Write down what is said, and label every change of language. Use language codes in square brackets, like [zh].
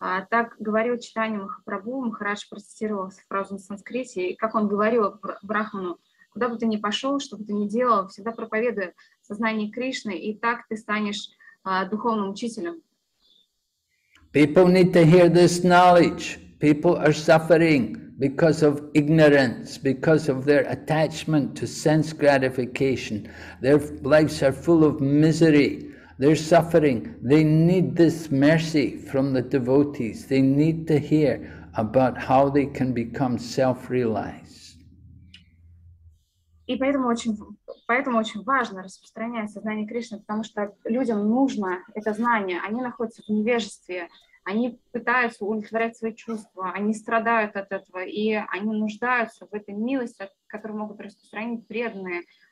[ru] Так говорил Чайтанья Махапрабху, Махарадж процитировал фразу на санскрите, и как он говорил Брахману, куда бы ты ни пошел, что бы ты ни делал, всегда проповедуй сознание Кришны, и так ты станешь духовным учителем. [en] People need to hear this knowledge. People are suffering because of ignorance, because of their attachment to sense gratification. Their lives are full of misery. They're suffering. They need this mercy from the devotees. They need to hear about how they can become self-realized. [ru] И поэтому очень важно распространять сознание Кришны, потому что людям нужно это знание. Они находятся в невежестве. Они пытаются удовлетворять свои чувства. Они страдают от этого, и они нуждаются в этой милости, которую могут распространить преданные.